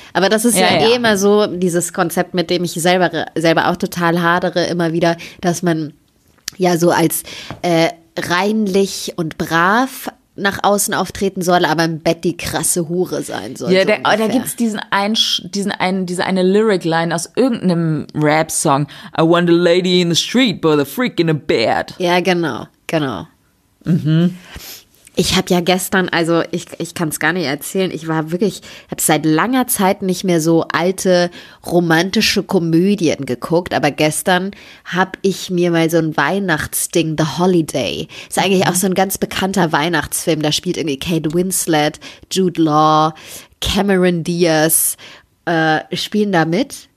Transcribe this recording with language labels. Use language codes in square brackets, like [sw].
[de] Aber das ist ja eh immer so, dieses Konzept, mit dem ich selber auch total hadere, immer wieder, dass man ja so als reinlich und brav nach außen auftreten soll, aber im Bett die krasse Hure sein soll. Ja, so da gibt's diese eine Lyric-Line aus irgendeinem Rap-Song. [en] I want a lady in the street, but a freak in a bed. [de] Ja, genau. Mhm. Ich habe ja gestern, also ich kann es gar nicht erzählen, ich war wirklich, habe seit langer Zeit nicht mehr so alte romantische Komödien geguckt, aber gestern habe ich mir mal so ein Weihnachtsding, The Holiday, ist eigentlich auch so ein ganz bekannter Weihnachtsfilm, da spielt irgendwie Kate Winslet, Jude Law, Cameron Diaz, spielen da mit.